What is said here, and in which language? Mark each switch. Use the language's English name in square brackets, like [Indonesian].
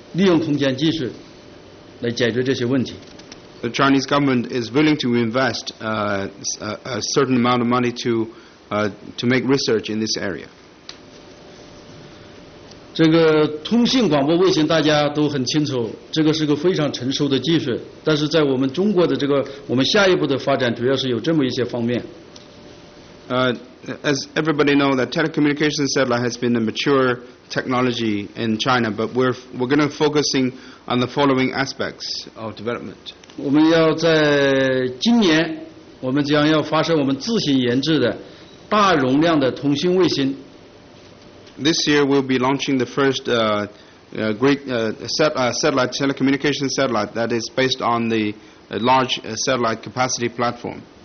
[Chinese] 所以中国政府非常重视这个问题，也是准备拿出一部分资金来利用空间技术来解决这些问题。 [English] The Chinese government is willing to invest a certain amount of money to make research in this area. [Chinese] 这个通信广播卫星大家都很清楚，这个是个非常成熟的技术。但是在我们中国的这个，我们下一步的发展主要是有这么一些方面。 [English] As everybody knows, the telecommunication satellite has been a mature technology in China, but we're going to focusing on the following aspects of development. [Chinese] 我们要在今年，我们将要发射我们自行研制的大容量的通信卫星。 [English] This year we'll be launching the first satellite telecommunication satellite that is based on the large satellite capacity platform.